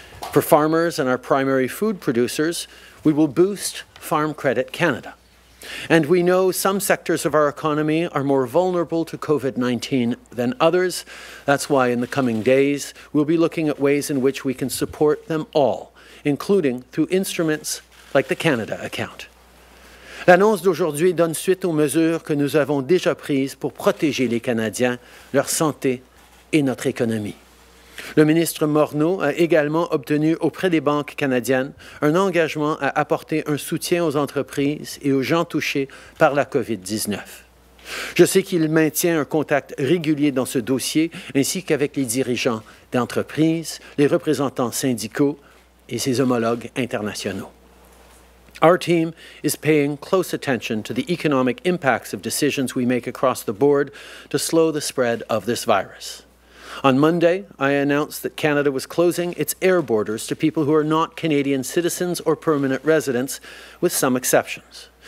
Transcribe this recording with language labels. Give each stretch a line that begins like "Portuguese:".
English: For farmers and our primary food producers, we will boost Farm Credit Canada. And we know some sectors of our economy are more vulnerable to COVID-19 than others. That's why in the coming days, we'll be looking at ways in which we can support them all, including through instruments like the Canada account.
French: L'annonce d'aujourd'hui donne suite aux mesures que nous avons déjà prises pour protéger les Canadiens, leur santé et notre économie. Le ministre Morneau a également obtenu auprès des banques canadiennes un engagement à apporter un soutien aux entreprises et aux gens touchés par la COVID-19. Je sais qu'il maintient un contact régulier dans ce dossier, ainsi qu'avec les dirigeants d'entreprises, les représentants syndicaux et ses homologues internationaux.
English: Our team is paying close attention to the economic impacts of decisions we make across the board to slow the spread of this virus. On Monday, I announced that Canada was closing its air borders to people who are not Canadian citizens or permanent residents, with some exceptions.